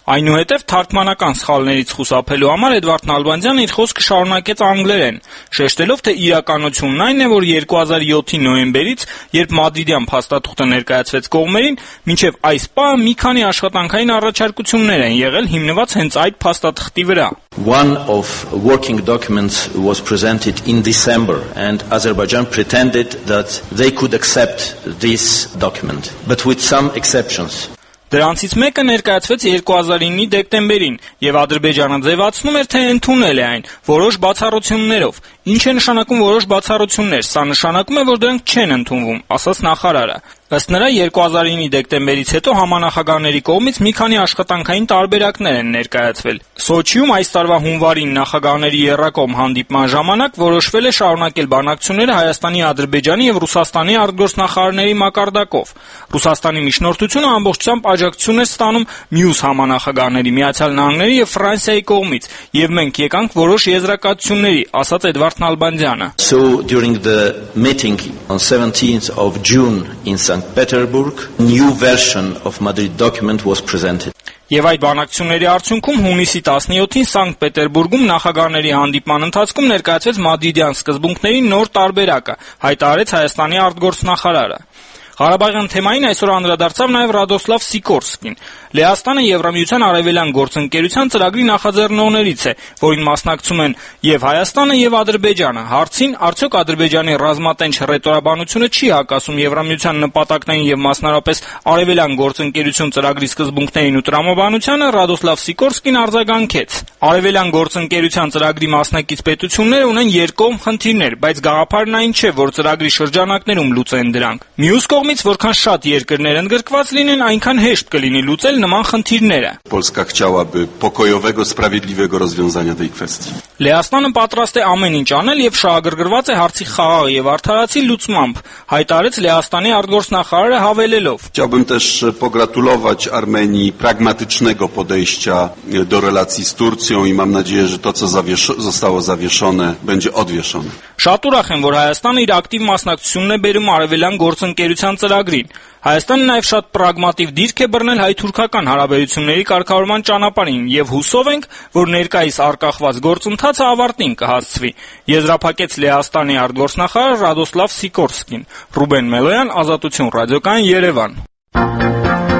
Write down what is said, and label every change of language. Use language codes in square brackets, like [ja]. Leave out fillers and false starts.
[hy] Այնուհետև թարգմանական սխալներից խուսափելու համար Էդվարդ Նալբանդյանը իր խոսքը շարունակեց անգլերեն, շեշտելով, թե իրականությունն այն է, որ 2007-ի նոյեմբերից, երբ մադրիդյան փաստաթուղթը ներկայացվեց կողմերին, մինչև այս պահ մի քանի աշխատանքային առաջարկություններ են եղել հիմնված հենց այդ փաստաթղթի վրա։ [en] One of working documents was presented in December and Azerbaijan pretended that they could accept this document, but with some exceptions. [hy] Դրանցից մեկը ներկայացվեց 2009-ի դեկտեմբերին, և Ադրբեջանը ձևացնում էր, թե ընդունել է այն որոշ բացառություններով։ Ինչ է նշանակում որոշ բացառություններ, սա նշանակում է, որ դրանք չեն ընդունվում, ասաց նախարարը։ Ըստ նրա, 2009-ի դեկտեմբերից հետո համանախագահների կողմից մի քանի աշխատանքային տարբերակներ են ներկայացվել։ Սոչիում այս տարվա հունվարին նախագահների եռակողմ հանդիպման ժամանակ որոշվել է շարունակել բանակցությունները Հայաստանի, Ադրբեջանի և Ռուսաստանի արտգործնախարարների մակարդակով։ Ռուսաստանի միջնորդությունը ամբողջությամբ աջակցություն է ստանում մյուս համանախագահների, Միացյալ Նահանգների և Ֆրանսիայի կողմից, և մենք եկանք որոշ եզրակացությունների, ասաց Էդվարդ Նալբանդյանը։ [en] So during the meeting on 17th of June in St. Petersburg, new version of Madrid document was presented. [hy] Եվ այդ բանակցությունների արդյունքում հունիսի 17-ին Սանկտ Պետերբուրգում նախագահների հանդիպման ընթացքում ներկայացվեց մադրիդյան սկզբունքների նոր տարբերակը, հայտարարեց Հայաստանի արտգործնախարարը։ Ղարաբաղյան թեմային այսօր անդրադարձավ նաև Ռադոսլավ Սիկորսկին։ Լեհաստանը Եվրամիության Արևելյան Գործընկերության ծրագրի նախաձեռնողներից է, որին մասնակցում են և Հայաստանը, և Ադրբեջանը։ Հարցին, արդյոք Ադրբեջանի ռազմատենչ ռետորաբանությունը չի հակասում Եվրամիության նպատակներին և մասնարապես Արևելյան Գործընկերություն ծրագրի սկզբունքներին ու տրամաբանությանը, Ռադոսլավ Սիկորսկին արձագանքեց։ Արևելյան Գործընկերության ծրագրի մասնակից պետությունները ունեն երկկողմ խնդիրներ, բայց գաղափարն այն չէ, որ ծրագրի շրջանակներում լուծեն դրանք։ Մյուս կողմից, որքան շատ երկրներ ընդգրկված լինեն, այնքան հեշտ կլինի լուծել նման խնդիրները։ [pl] Polska chciałaby pokojowego, sprawiedliwego rozwiązania tej kwestii։ [hy] Լեհաստանը պատրաստ է ամեն ինչ անել եւ շահագրգռված է հարցի խաղաղ եւ արդարացի լուծմամբ, հայտարարեց Լեհաստանի արտգործնախարարը հավելելով։ [pl] Chciałbym też pogratulować Armenii pragmatycznego podejścia do relacji z Turcją i mam nadzieję, że to co zostało zawieszone będzie odwieszone։ [hy] Շատ ուրախ եմ, որ Հայաստանը իր ակտիվ մասնակցությունն է բերում Արևելյան Գործընկերության ծրագրին։ Հայաստանը նաև շատ պրագմատիվ դիրք է բռնել հայ-թուրքական հարաբերությունների կարգավորման ճանապարհին և հուսով ենք, որ ներկայիս արկախված գործընթացը ավարտին կհասցվի, եզրափակեց Լեհաստանի արտգործնախարար Ռադոսլավ Սիկորսկին։ Ռուբեն Մելոյան, Ազատություն ռադիոկայան, Երևան։